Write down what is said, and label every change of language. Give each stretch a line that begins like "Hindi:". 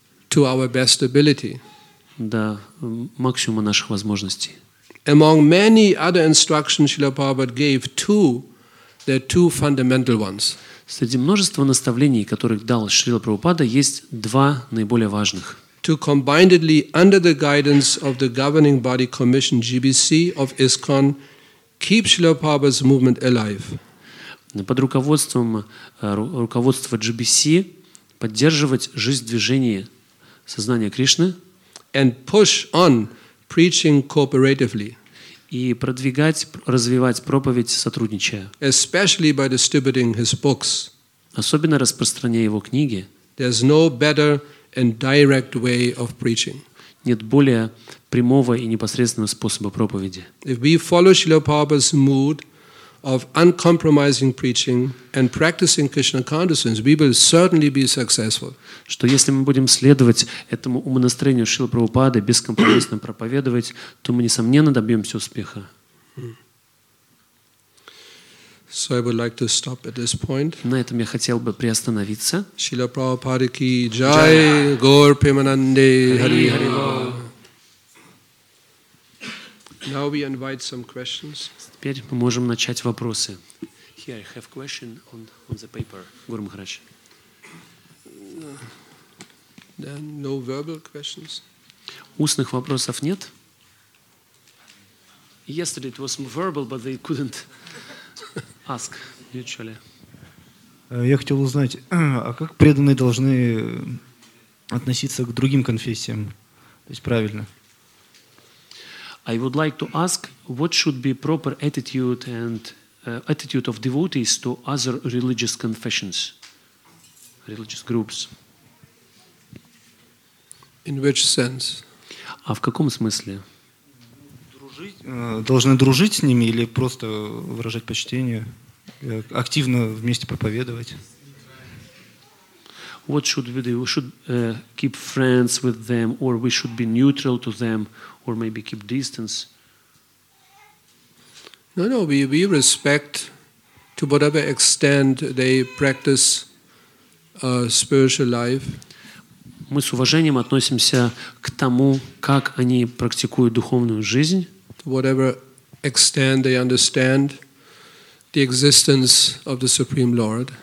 English: to our best ability.
Russian: До максимума наших возможностей.
English: Among many other instructions Srila Prabhupada gave, two, there are two fundamental ones.
Russian: Среди множества наставлений, которых дал Шрила Прабхупада, есть два наиболее важных.
English: To combinedly, under the guidance of the governing body commission GBC of ISKCON, keep Srila Prabhupada's movement alive.
Russian: Под руководством руководства GBC поддерживать жизнь движения сознания Кришны.
English: And push on preaching cooperatively.
Russian: И продвигать, развивать проповедь сотрудничая.
English: Especially by distributing his books.
Russian: Особенно распространяя его книги.
English: There's no better and direct way of preaching.
Russian: Нет более прямого и непосредственного способа проповеди.
English: If we follow Srila Prabhupada's mood of uncompromising preaching and practicing Krishna consciousness, we will certainly be successful.
Russian: Что если мы будем следовать этому умонастроению Шрилы Прабхупады, бескомпромиссно проповедовать, то мы несомненно добьемся успеха.
English: So I would like to stop at this point.
Russian: На этом я хотел бы приостановиться. Шрила Прабхупада ки джай, Гаур Премананде, Хари Хари Бол.
English: Now we invite some questions.
Russian: Теперь мы можем начать вопросы.
English: Here I have question on the paper.
Russian: Гуру Махарадж.
English: Then no verbal questions.
Russian: Устных вопросов нет?
English: Yesterday it was verbal, but they couldn't ask mutually.
Russian: Я хотел узнать, а как преданные должны относиться к другим конфессиям? То есть правильно?
English: I would like to ask what should be proper attitude and attitude of devotees to other religious confessions, religious groups. In which sense?
Russian: А в каком смысле? Должны дружить с ними или просто выражать почтение, активно вместе проповедовать?
English: What should we do? We should keep friends with them, or we should be neutral to them, or maybe keep distance? No, we respect to whatever extent they practice spiritual life.
Russian: Мы с уважением относимся к тому, как они практикуют духовную жизнь.
English: Whatever extent they understand the existence of the Supreme Lord.